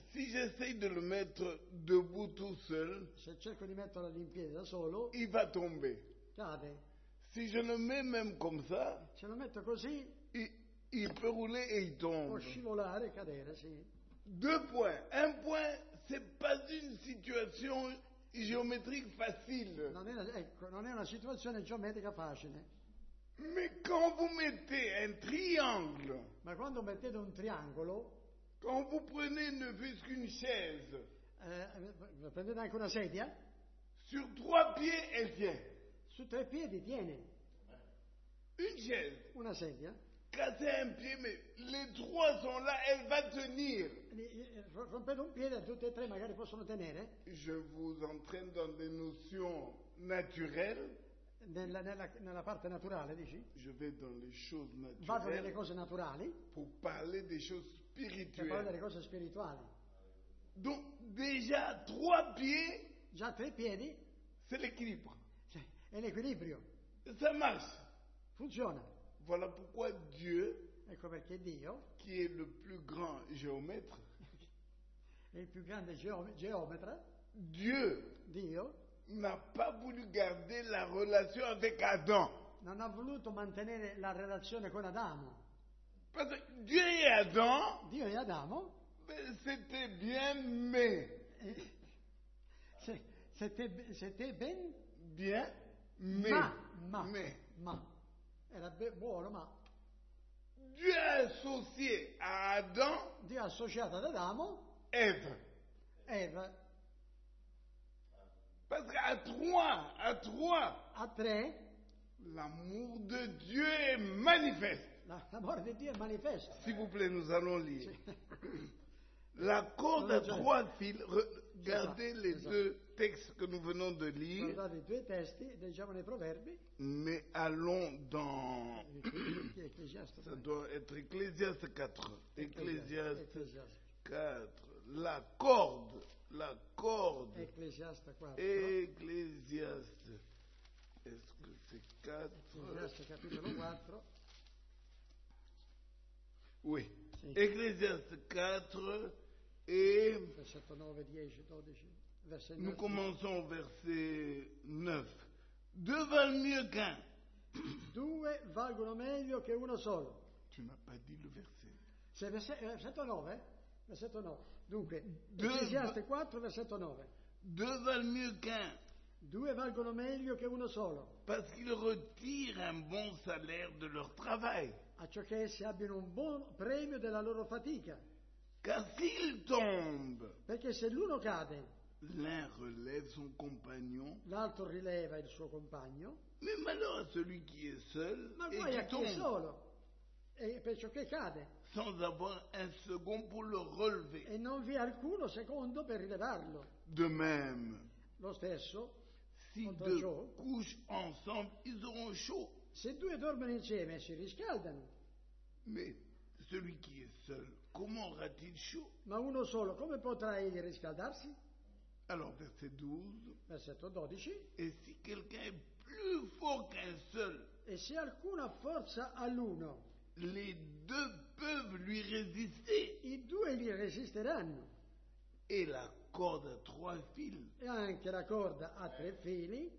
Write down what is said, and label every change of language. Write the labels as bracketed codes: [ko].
[fr] Si j'essaye de le mettre debout tout seul, [it] se cerco di metterlo in piedi da solo, [fr] il va tomber. [it] Cade. [fr] Si je le mets même comme ça, [it] se lo metto così, [fr] il peut rouler et il tombe. [it] Può scivolare e cadere, sì. [fr] Deux points. Un point, c'est pas une situation géométrique facile. [it] Non è una situazione geometrica facile. [fr] Mais quand vous mettez un triangle, [it] ma quando mettete un triangolo, [fr] quand vous prenez ne fût-ce qu'une chaise, [it] prendete anche una sedia, [fr] sur trois pieds elle tient. [it] Su tre piedi tiene. [fr] Une chaise. [it] Una sedia. [fr] Cassez un pied, mais les trois sont là, elle va tenir. [it] Rompete un piede, tutte e tre magari possono tenere. [fr] Je vous entraîne dans des notions naturelles. [it] Nella parte naturale, dici? [fr] Je vais dans les choses naturelles. [it] Vado nelle cose naturali. [fr] Pour parler des choses spirituelles. [it] Per parlare delle cose spirituali. [fr] Donc, déjà trois pieds. [it] Già tre piedi. [fr] C'est l'équilibre. [it] È l'equilibrio. [fr] Ça marche. [it] Funziona. [fr] Voilà pourquoi Dieu, [it] ecco perché Dio, [fr] qui est le plus grand géomètre, [it] è il più grande geometra, [fr] Dieu, n'a pas voulu garder la relation avec Adam. [it] Non ha voluto mantenere la relazione con Adamo. [fr] Parce que Dieu et Adam, [it] Dio e Adamo, [fr] c'était bien, mais. C'était ben? Bien, mais. [it] Ma. Era buono, ma [fr] Dieu a associé à Adam, [it] Dio ha associato ad Adamo [fr] Eve. Parce qu'à trois, l'amour de Dieu est manifeste. [it] L'amore di Dio è manifesto. [fr] S'il vous plaît, nous allons lire. La corde à trois fils, regardez les deux textes que nous venons de lire. [it] Guardate i due testi, leggiamo nei proverbi. [fr] Mais allons dans. Ça doit être Ecclésiaste 4. Ecclésiaste 4, la corde, la corde. Ecclésiaste 4. Ecclésiaste. Est-ce que c'est 4? Ecclésiaste chapitre 4. Oui. Si. Ecclésiaste 4 et... Verset 9, 10, 12. Verset 9. Nous commençons au verset 9. Deux valent mieux qu'un. [it] Due valgono meglio che uno solo. [fr] Tu m'as pas dit le verset. C'est verset 9, hein? [it] Versetto 9. Dunque, Ecclesiaste 4, versetto 9. [fr] Deux valent mieux qu'un. [it] Due valgono meglio che uno solo. [fr] Parce qu'ils retirent un bon salaire de leur travail. [it] A ciò che essi abbiano un buon premio della loro fatica. [fr] Car s'il tombe. [it] Perché se l'uno cade. [fr] L'un relève son compagnon. [it] L'altro rileva il suo compagno. [fr] Mais malheur à celui qui est seul. [it] Ma guai a chi è solo. E perciò che cade. [fr] Sans avoir un second pour le relever. [it] E non vi è alcuno secondo per rilevarlo. [fr] De même. [it] Lo stesso. [fr] Si deux couchent ensemble, ils auront chaud. [it] Se due dormono insieme, si riscaldano. [fr] Mais celui qui est seul, comment aura-t-il chaud? [it] Ma uno solo, come potrà egli riscaldarsi? [fr] Alors verset 12. [it] Versetto 12. [fr] Et si quelqu'un est plus fort qu'un seul? [it] E se alcuna forza all'uno? [fr] Les deux peuvent lui résister. [it] I due gli resisteranno. [fr] Et la corde à trois fils. [it] E anche la corda a tre fili.